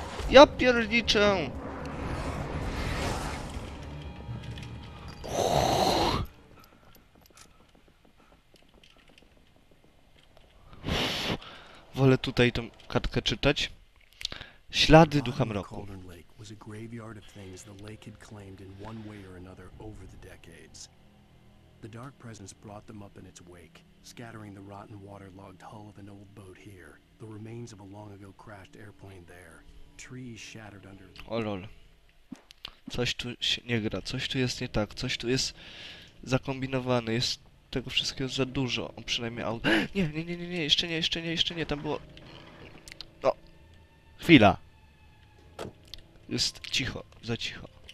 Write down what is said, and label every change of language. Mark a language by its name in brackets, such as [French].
[Polish] Ja pierdniczę! Wolę tutaj tą kartkę czytać. Ślady ducha mroku. [English] Was a graveyard of things the lake had claimed in one way or another over the decades. The dark presence brought them up in its wake, scattering the rotten waterlogged hull of an old boat here, the remains of a long ago crashed airplane there, trees shattered under. Olol. [Polish] Coś tu się nie gra, coś tu jest nie tak, coś tu jest zakombinowane, jest tego wszystkiego za dużo, on przynajmniej auto. Nie, jeszcze nie, tam było. No. Chwila. Jest cicho, za cicho.